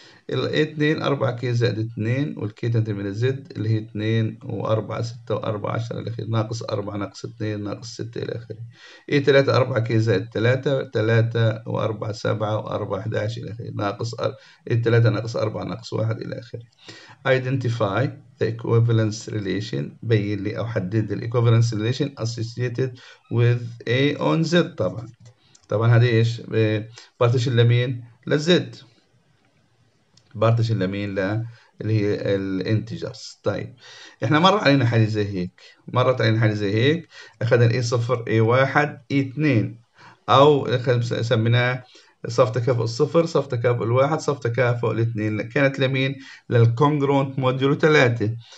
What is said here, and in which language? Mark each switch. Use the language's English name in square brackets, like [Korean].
[Arabic] ال A2 4 K زائد 2 وال K تنتمي للزد اللي هي 2 و 4 6 و 4 10 إلى آخره ناقص 4 ناقص 2 ناقص 6 إلى آخره. A3 4 K زائد 3 3 و 4 7 و 4 11 إلى آخره ناقص A3 ناقص 4 ناقص 1 إلى آخره. [English] Identify the equivalence relation، [Arabic] بين لي أو حدد ال [English] equivalence relation associated with A on Z. [Arabic] طبعا طبعا هذه ايش؟ بارتيشن لمين؟ للزد. بارتش لمين؟ لا اللي هي الانتجرز. طيب احنا مر علينا حاجه زي هيك، مرت علينا حاجه زي هيك، اخذنا اي صفر اي واحد اي اثنين، او سميناه صف تكافؤ الصفر صف تكافؤ الواحد صف تكافؤ الاثنين، كانت لمين؟ للكونجرونت موديولو ثلاثة.